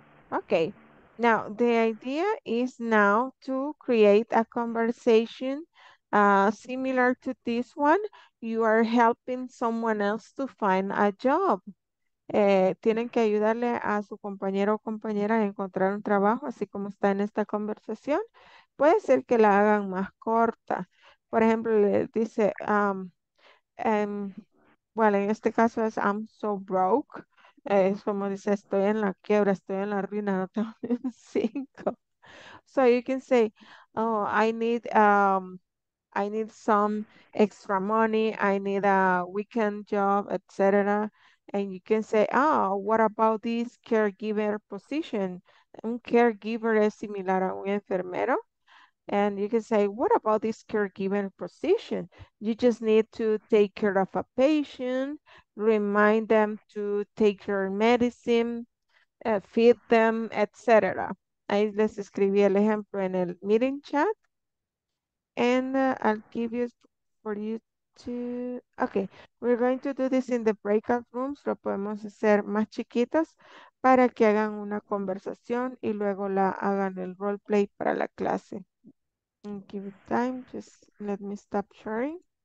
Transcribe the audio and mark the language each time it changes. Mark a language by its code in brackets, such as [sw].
[en] Okay, now the idea is now to create a conversation similar to this one. You are helping someone else to find a job. [es] Tienen que ayudarle a su compañero o compañera a encontrar un trabajo, así como está en esta conversación. Puede ser que la hagan más corta. Por ejemplo, le dice, bueno, en este caso es [en] I'm so broke. [es] Es como dice, estoy en la quiebra, estoy en la ruina, no tengo ni un cinco. [en] So you can say, oh, I need some extra money. I need a weekend job, etc. And you can say, oh, what about this caregiver position? [es] Un caregiver es similar a un enfermero. [en] And you can say, what about this caregiver position? You just need to take care of a patient, remind them to take your medicine, feed them, etc. [es] Ahí les escribí el ejemplo en el meeting chat. [en] And I'll give you for you to, okay, we're going to do this in the breakout rooms. [es] Lo podemos hacer más chiquitas para que hagan una conversación y luego la hagan el role play para la clase. [en] I'll give you time, just let me stop sharing.